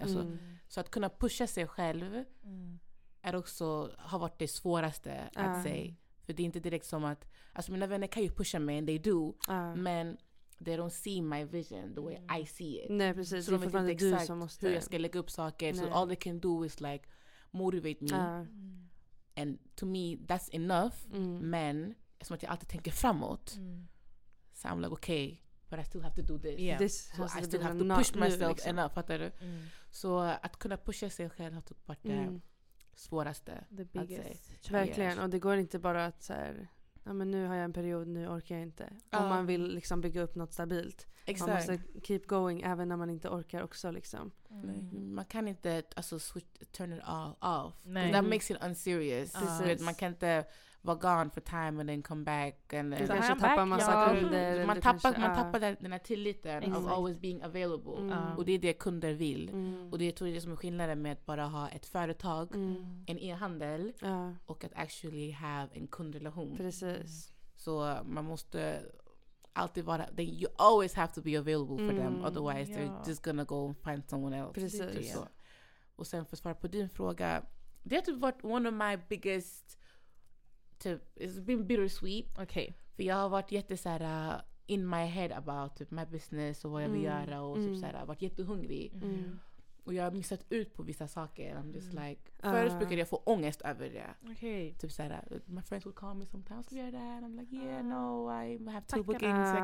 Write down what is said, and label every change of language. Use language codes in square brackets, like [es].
[sv] Alltså, så att kunna pusha sig själv är också, har varit det svåraste att säga. För det är inte direkt som att, alltså mina vänner kan ju pusha mig, [en] and they do, [sv] men [en] they don't see my vision the way I see it. [sv] Nej, precis. Så de vet inte exakt måste... hur jag ska lägga upp saker. Nej. [en] So all they can do is like motivate me. And to me, that's enough. [sv] Men som att jag alltid tänker framåt. Så [en] I'm like, okay, but I still have to do this. Yeah. This so I still have to push myself [sv] liksom. [en] Enough, [sv] fattar du? Så att kunna pusha sig själv har tagit bort det svåraste. [en] The biggest. [sv] Verkligen, och det går inte bara att så här, ja, men nu har jag en period, nu orkar jag inte. Om man vill liksom bygga upp något stabilt. Exakt. Man måste [en] keep going [sv] även när man inte orkar också. Liksom. Man kan inte alltså, [en] turn it off. That makes it unserious. [sv] Man kan inte vara [en] gone for time and then come back. And then. [sv] Du kanske tappar massa kunder. Man tappar den här tilliten [en] of always being available. [sv] Och det är det kunder vill. Och det tror jag är det som är skillnaden med att bara ha ett företag, en e-handel och att [en] actually have [sv] en kundrelation. Precis. Så man måste alltid vara, [en] then you always have to be available for them, otherwise they're just gonna go and find someone else. [sv] Precis. Så. Och sen för att svara på din fråga, det har typ varit [en] one of my biggest, it's been bittersweet. Okay. [sv] För jag har varit jätte så här, [en] in my head about [sv] typ, [en] my business [sv] och vad jag vill göra och typ så här, varit jättehungrig. Och jag har missat ut på vissa saker. [en] I'm just like, [sv] förut brukade jag få ångest över det. [en] Okay. [sv] Typ så här, [en] my friends would call me sometimes, [sv] ska vi göra det här? [en] I'm like, yeah, no, I have two bookings.